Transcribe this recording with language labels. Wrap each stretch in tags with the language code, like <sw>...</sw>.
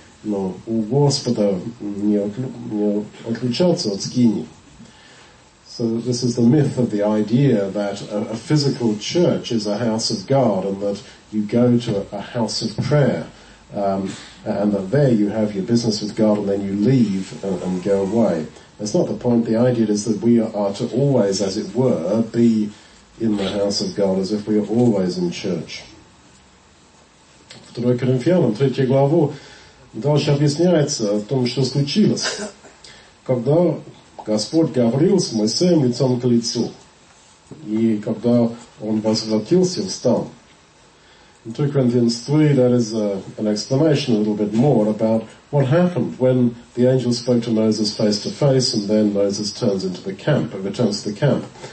<ru>но у Господа не отличаться от скинии.</ru> <en>So this is the myth of the idea that a physical church is a house of God and that you go to a house of prayer and that there you have your business with God and then you leave and go away. That's not the point. The idea is that we are to always, as it were, be in the house of God as if we are always in church.</en> <ru>В 2 Коринфянам, 3 главу, дальше объясняется о том, что случилось. Когда Господь говорил с Моисеем лицом к лицу, и когда он возвратился в стан.</ru> <en>In 2 Corinthians 3, that is an explanation a little bit more about what happened when the angel spoke to Moses face to face, and then Moses turns into the camp, and returns to the camp.</en>